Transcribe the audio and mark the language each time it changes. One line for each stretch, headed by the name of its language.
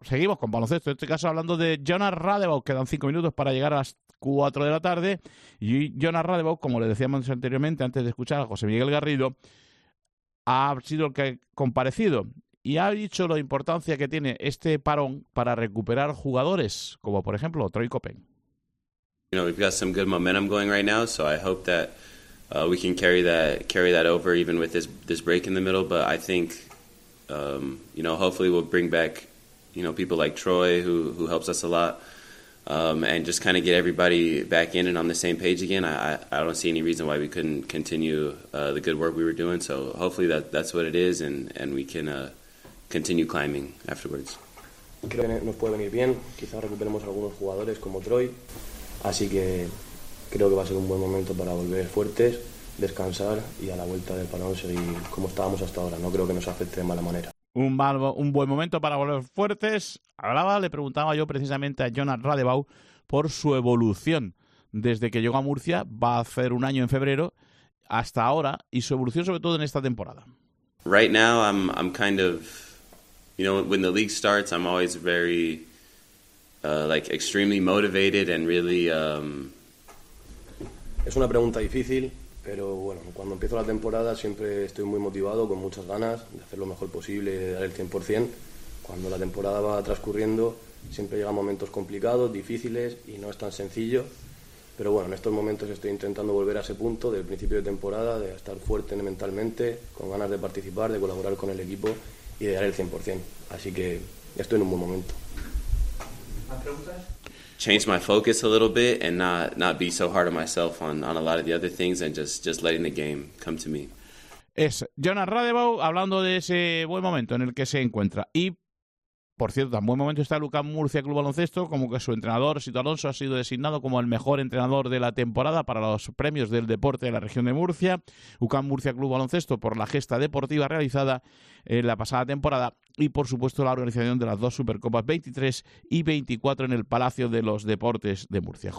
Spanish: Seguimos con baloncesto, en este caso hablando de Jonas Radebaugh. Quedan 5 minutos para llegar a las 4 de la tarde. Y Jonas Radebaugh, como le decíamos anteriormente, antes de escuchar a José Miguel Garrido, ha sido el que ha comparecido y ha dicho la importancia que tiene este parón para recuperar jugadores, como por ejemplo Troy Copen.
English: You know, we've got some good momentum going right now, so I hope that we can carry that over even with this break in the middle. But I think, you know, hopefully we'll bring back, you know, people like Troy who helps us a lot. And just kind of get everybody back in and on the same page again. I don't see any reason why we couldn't continue the good work we were doing. So hopefully that's what it is, and we can continue climbing afterwards.
Spanish: Creo que nos puede venir bien. Quizás recuperemos algunos jugadores como Troy. Así que creo que va a ser un buen momento para volver fuertes, descansar y a la vuelta del parón seguir como estábamos hasta ahora. No creo que nos afecte de mala manera. Un buen momento para volver fuertes. Le preguntaba yo precisamente a Jonas Radebaugh por su evolución desde que llegó a Murcia, va a hacer un año en febrero, hasta ahora, y su evolución sobre todo en esta temporada.
English: Right now, I'm kind of, you know, when the league starts, I'm always very, like, extremely motivated and really.
Spanish: Es una pregunta difícil, pero bueno, cuando empiezo la temporada siempre estoy muy motivado, con muchas ganas de hacer lo mejor posible, de dar el 100%. Cuando la temporada va transcurriendo, siempre llegan momentos complicados, difíciles, y no es tan sencillo. Pero bueno, en estos momentos estoy intentando volver a ese punto del principio de temporada, de estar fuerte mentalmente, con ganas de participar, de colaborar con el equipo y de dar el 100%. Así que estoy en un buen momento. ¿Más preguntas?
English: Change my focus a little bit and not be so hard on myself on a lot of the other things and just letting the game come to me.
Spanish: Es Jonas Radebaugh hablando de ese buen momento en el que se encuentra. Y, por cierto, tan buen momento está Lucas Murcia Club Baloncesto, como que su entrenador, Sito Alonso, ha sido designado como el mejor entrenador de la temporada para los premios del deporte de la región de Murcia. Lucas Murcia Club Baloncesto, por la gesta deportiva realizada en la pasada temporada y, por supuesto, la organización de las dos Supercopas 23 y 24 en el Palacio de los Deportes de Murcia.